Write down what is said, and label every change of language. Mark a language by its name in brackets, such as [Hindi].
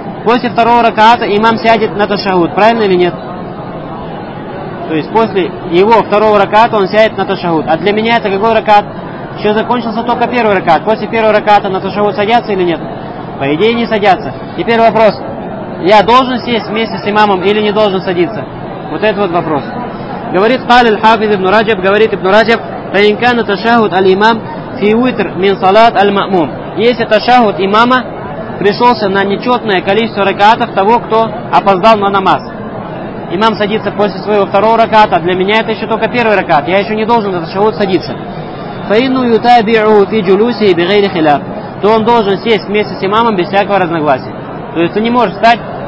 [Russian] После второго ракаата имам сядет на ташахуд, правильно или нет? То есть после его второго ракаата он сядет на ташахуд. А для меня это какой ракаат? Еще закончился только первый ракаат. После первого ракаата на ташахуд садятся или нет? По идее не садятся. Теперь вопрос. Я должен сесть вместе с имамом или не должен садиться? Вот это вот вопрос. Говорит [Arabic] قال الحافظ ابن رجب, говорит ابن رجب, فإن كان تشهد الإمام في وتر من صلاة المأموم. [Russian] Если ташахуд имама пришелся на нечетное количество ракаатов того, кто опоздал на намаз. Имам садится после своего второго раката, для меня это еще только первый ракат. Я еще не должен на ташахуд садиться. [Arabic] فإنه يتابعه في جلوسه بغير خلاف. [Russian] То он должен сесть вместе с имамом без всякого разногласия. То есть ты не можешь встать